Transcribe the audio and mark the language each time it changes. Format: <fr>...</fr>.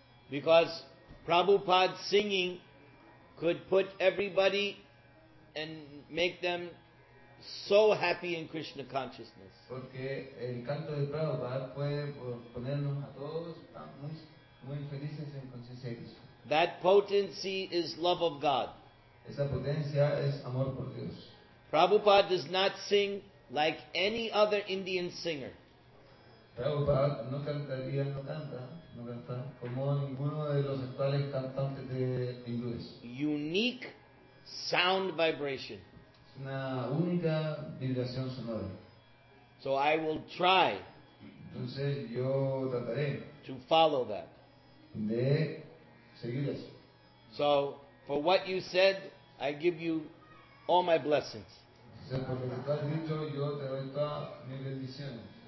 <en>Because Prabhupada's singing could put everybody and make them so happy in Krishna consciousness.</en> <es>Porque el canto de Prabhupada puede ponernos a todos muy felices en conciencia de Krishna.</es> <en>That potency is love of God.</en> <es>Esa potencia es amor por Dios.</es> <en>Prabhupada does not sing like any other Indian singer.</en> <es>Prabhupada no cantaría, no canta como ninguno de los actuales cantantes de hindúes.</es> <en>Unique sound vibration.</en> <es>Es una única vibración sonora.</es> <en>So I will try.</en> <es>Entonces yo trataré.</es> <en>To follow that.</en> <es>De seguir eso.</es> <en>So for what you said, I give you all my blessings.</en> <es>Entonces por lo que tú has dicho, yo te doy todas mis bendiciones.</es>